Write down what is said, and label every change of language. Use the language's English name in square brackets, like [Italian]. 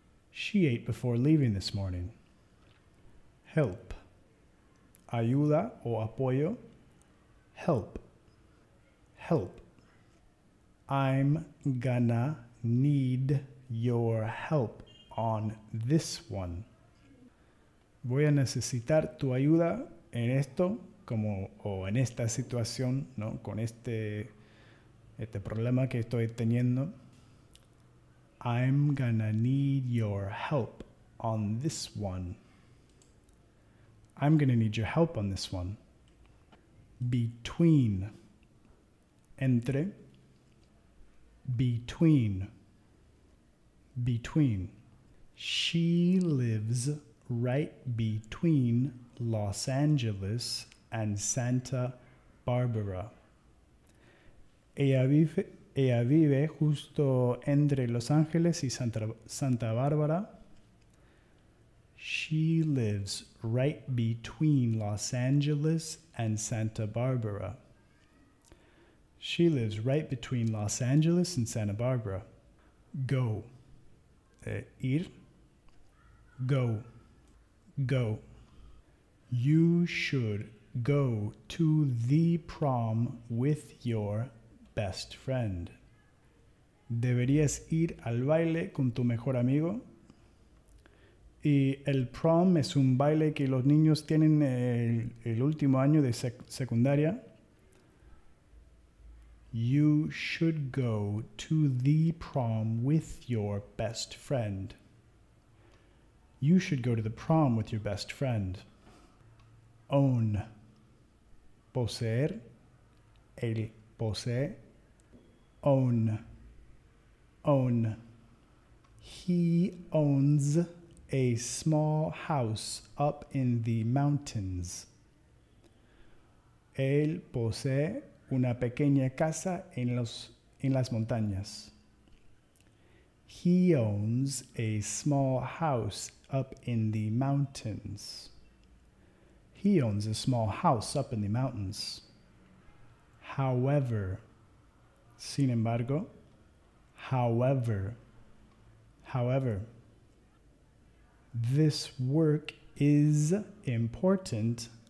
[English] She ate before leaving this morning. Help. [Spanish] Ayuda o apoyo. [English] Help. Help. I'm gonna need your help on this one. [Spanish] Voy a necesitar tu ayuda en esto, como o en esta situación, ¿no? Con este problema que estoy teniendo. [English] I'm gonna need your help on this one. I'm gonna need your help on this one. Between. [Spanish] Entre. [English] Between. Between. She lives right between Los Angeles and Santa Barbara. [Spanish] Ella vive justo entre Los Ángeles y Santa Bárbara. [English] She lives right between Los Angeles and Santa Barbara. She lives right between Los Angeles and Santa Barbara. Go. [Spanish] Ir. [English] Go. Go. You should go to the prom with your best friend. [Spanish] deberías ir al baile con tu mejor amigo. Y el prom es un baile que los niños tienen el último año de secundaria. [English] You should go to the prom with your best friend. You should go to the prom with your best friend. Own. [Spanish] Poseer. Él posee. [English] Own. Own. He owns a small house up in the mountains. [Spanish] Él posee una pequeña casa en las montañas. [English] He owns a small house up in the mountains. He owns a small house up in the mountains. However, [Spanish] sin embargo, [English] however, however, this work is important.